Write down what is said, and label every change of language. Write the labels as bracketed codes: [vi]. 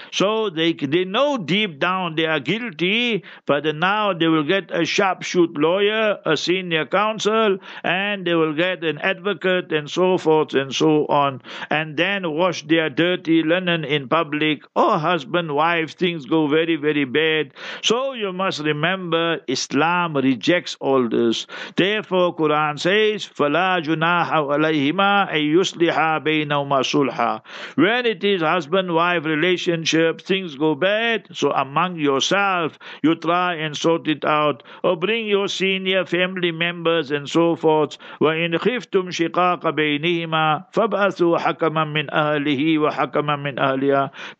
[en] So, they know deep down they are guilty, but now they will get a sharp shoot lawyer, a senior counsel, and they will get an advocate and so forth and so on, and then wash their dirty linen in public. Oh, husband, wife, things go very, very bad. So you must remember, Islam rejects all this. Therefore, Quran says, [ar] فَلَا جُنَاحَ عَلَيْهِمَا أَن يُسْلِحَا بَيْنَهُمَا صُلْحًا. [en] When it is husband-wife relationship, things go bad, so among yourself, you try and sort it out. Bring your senior family members and so forth. [ar] وَإِنْ خِفْتُمْ شِقَاقَ بَيْنِهِمَا فَبْأَثُوا حَكَمًا مِّنْ أَهْلِهِ وَحَكَمًا مِّنْ أَهْلِهَا.